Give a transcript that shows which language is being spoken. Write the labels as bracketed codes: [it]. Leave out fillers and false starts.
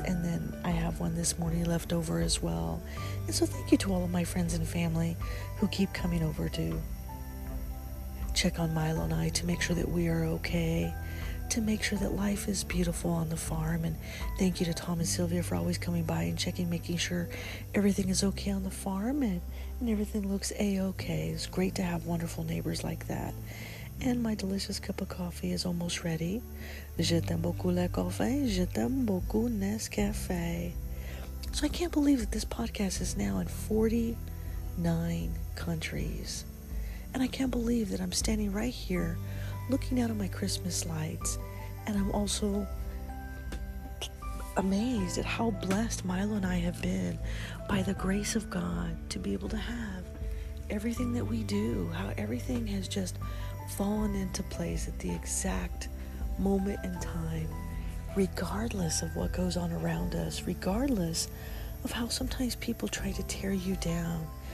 [en] And then I have one this morning left over as well. And so thank you to all of my friends and family who keep coming over to check on Milo and I, to make sure that we are okay, to make sure that life is beautiful on the farm. And thank you to Tom and Sylvia for always coming by and checking, making sure everything is okay on the farm and everything looks a-okay. It's great to have wonderful neighbors like that. And my delicious cup of coffee is almost ready. [fr] Je t'aime beaucoup le café, je t'aime beaucoup Nescafé. [en] So I can't believe that this podcast is now in 49 countries. And I can't believe that I'm standing right here looking out at my Christmas lights. And I'm also amazed at how blessed Milo and I have been by the grace of God to be able to have everything that we do, how everything has just fallen into place at the exact moment in time, regardless of what goes on around us, regardless of how sometimes people try to tear you down.